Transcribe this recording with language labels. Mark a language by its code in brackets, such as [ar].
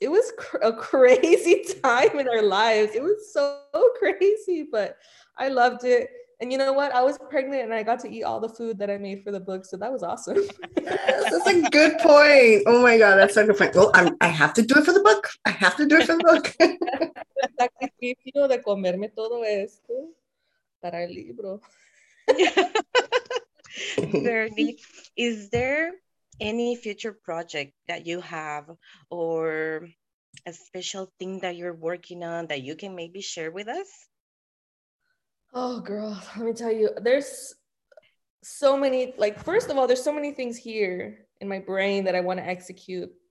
[en] It was a crazy time in our lives. It was so crazy, but I loved it. And you know what? I was pregnant and I got to eat all the food that I made for the book. So that was awesome. That's a good point. Oh my God. That's a good point. Well, I have to do it for the book. I have to do it for the book. [es] Sacrificio de comerme todo esto para el libro. [en] Bernie, is there any future project that you have or a special thing that you're working on that you can maybe share with us? Oh, girl, let me tell you, there's so many, like, first of all, there's so many things here in my brain that I want to execute.